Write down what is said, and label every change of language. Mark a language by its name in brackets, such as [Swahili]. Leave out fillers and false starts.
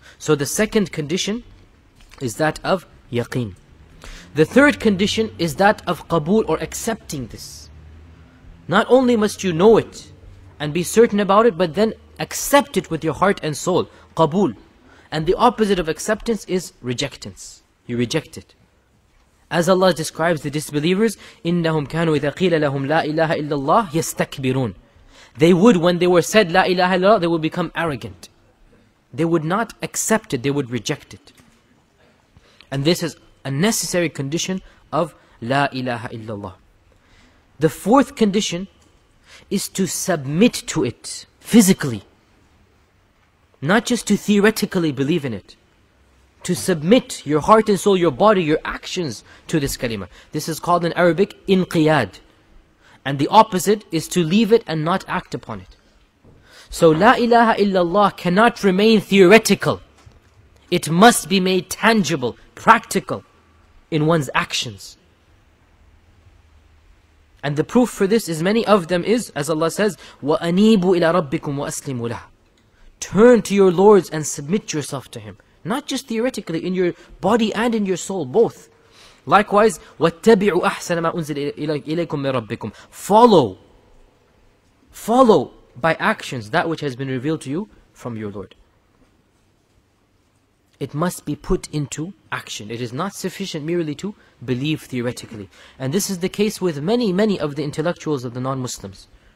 [English] So the second condition is that of yaqeen. The third condition is that of qabool, or accepting this. Not only must you know it and be certain about it, but then accept it with your heart and soul. Qabool. And the opposite of acceptance is rejectance. You reject it. As Allah describes the disbelievers, [Arabic] إِنَّهُمْ كَانُوا إِذَا قِيلَ لَهُمْ لَا إِلَهَ إِلَّا اللَّهِ يَسْتَكْبِرُونَ. [English] They would, when they were said La ilaha illallah, they would become arrogant. They would not accept it, they would reject it. And this is a necessary condition of La ilaha illallah. The fourth condition is to submit to it physically. Not just to theoretically believe in it. To submit your heart and soul, your body, your actions to this kalima. This is called in Arabic, inqiyad. And the opposite is to leave it and not act upon it. So La ilaha illallah cannot remain theoretical. It must be made tangible, practical in one's actions. And the proof for this is many of them is, as Allah says, [Arabic] وَأَنِيبُوا إِلَىٰ رَبِّكُمْ وَأَسْلِمُوا لَهُ. [English] Turn to your Lords and submit yourself to Him. Not just theoretically, in your body and in your soul, both. Likewise, [Arabic] وَاتَّبِعُوا أَحْسَنَ مَا أُنزِلَ إِلَيْكُمْ مِنْ رَبِّكُمْ. [English] Follow by actions that which has been revealed to you from your Lord. It must be put into action. It is not sufficient merely to believe theoretically. And this is the case with many, many of the intellectuals of the non-Muslims.